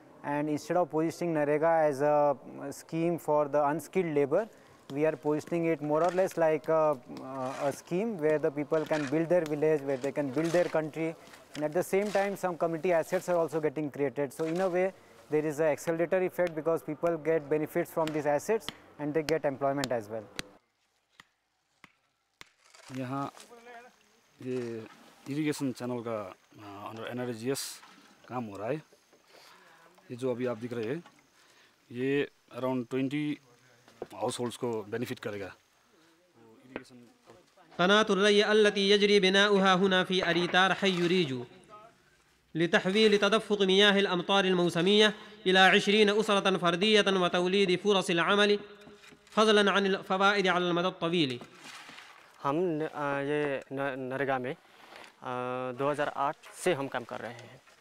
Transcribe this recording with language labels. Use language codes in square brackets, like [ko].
[en] And instead of positioning NREGA as a scheme for the unskilled labor, we are positioning it more or less like a scheme where the people can build their village, where they can build their country. And at the same time, some community assets are also getting created. So in a way, there is an accelerator effect because people get benefits from these assets and they get employment as well. [hi] यहाँ ये irrigation channel का under NRGS काम हो रहा है। ये जो अभी आप दिख रहे हैं ये अराउंड 20 हाउसहोल्ड्स को बेनिफिट करेगा। [ar] قنات الري التي يجري بناؤها هنا في أريتار حي ريجو لتحويل تدفق مياه الأمطار الموسمية إلى 20 أسرة فردية وتوليد فرص العمل فضلا عن الفوائد على المدى الطويل. [hi] هم ये नरेगा में 2008 से हम काम कर रहे हैं।